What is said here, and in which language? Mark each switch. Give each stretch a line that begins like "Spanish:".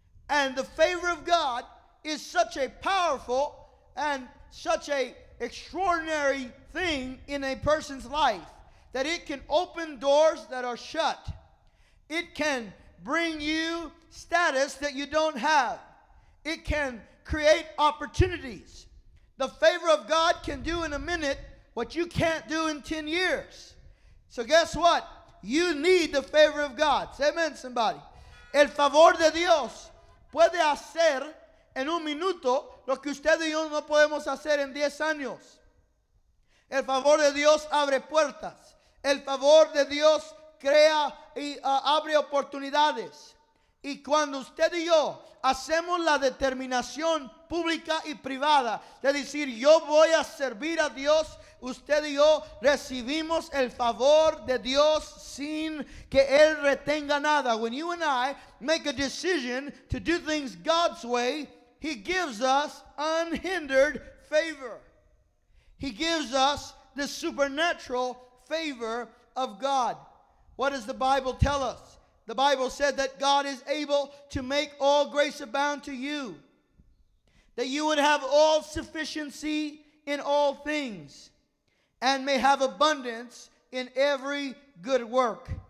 English: And the favor of God is such a powerful and such a extraordinary thing in a person's life that it can open doors that are shut. It can bring you status that you don't have. It can create opportunities. The favor of God can do in a minute what you can't do in 10 years. So guess what? You need the favor of God. Say amen, somebody.
Spanish: El favor de Dios puede hacer en un minuto lo que usted y yo no podemos hacer en 10 años. El favor de Dios abre puertas. El favor de Dios crea y abre oportunidades. Y cuando usted y yo hacemos la determinación pública y privada de decir, yo voy a servir a Dios, usted y yo recibimos el favor de Dios sin que Él retenga nada.
English: When you and I make a decision to do things God's way, He gives us unhindered favor. He gives us the supernatural favor of God. What does the Bible tell us? The Bible said that God is able to make all grace abound to you, that you would have all sufficiency in all things, and may have abundance in every good work.